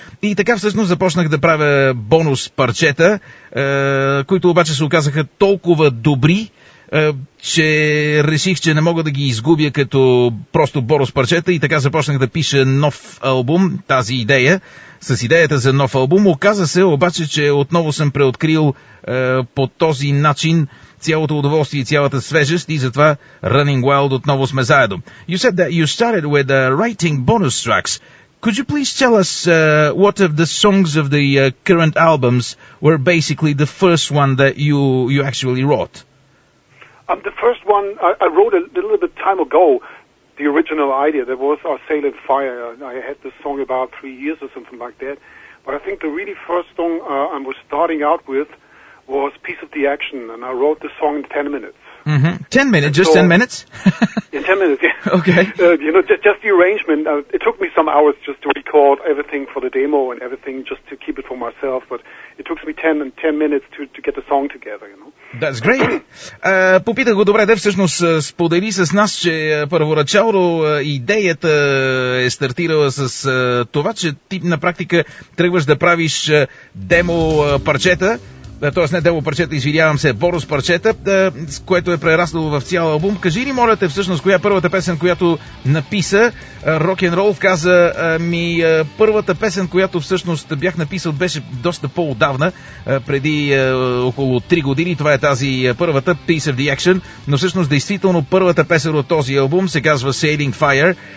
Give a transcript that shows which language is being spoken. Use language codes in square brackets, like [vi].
[bg] И така всъщност започнах да правя бонус парчета, които обаче се оказаха толкова добри, че реших, че не мога да ги изгубя като просто бонус парчета, и така започнах да пиша нов албум, тази идея, с идеята за нов албум. Оказа се обаче, че отново съм преоткрил по този начин цялото удоволствие и цялата свежест, и затова Running Wild отново сме заедно. [en] You said that you started with writing bonus tracks. Could you please tell us what of the songs of the current albums were basically the first one that you actually wrote? The first one I wrote a little bit time ago, the original idea, that was our Sail and Fire. I had this song about 3 years or something like that. But I think the really first song I was starting out with was Piece of the Action, and I wrote the song in 10 minutes. Mm-hmm. 10 minutes? Yeah, 10 minutes, yeah. Okay. You know, just the arrangement, it took me some hours just to record everything for the demo and everything just to keep it for myself, but it took me 10 minutes to get the song together, you know. That's great. [bg] Попитах го, добре, де всъщност сподели с нас, че първоначално идеята е стартирала с това, че ти на практика тръгваш да правиш демо парчета, т.е. не демо парчета, извинявам се, бонус парчета, което е прераснало в цял албум. Кажи ни, моля те, всъщност, коя е първата песен, която написа? Рок-н-рол каза ми, първата песен, която всъщност бях написал, беше доста по-отдавна, преди около 3 години. Това е тази първата, Piece of the Action. Но всъщност, действително, първата песен от този албум се казва Sailing Fire.